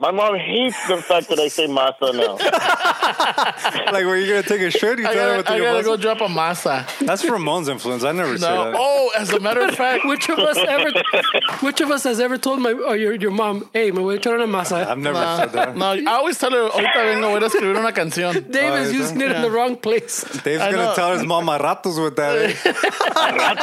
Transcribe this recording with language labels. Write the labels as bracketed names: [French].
[English] My mom hates the fact that I say masa now. Like, were you going to take a shit? I gotta go drop a masa. That's Ramon's influence. I never say that. Oh, as a matter of fact, which of us has ever told your mom, hey, [Spanish] me voy a echar una masa? [English] I've never said that. No, I always tell her, [Spanish] ahorita vengo, voy a escribir una canción. [English] Dave is using it in the wrong place. Dave's going to tell his mom [Spanish] a ratos [English] with that.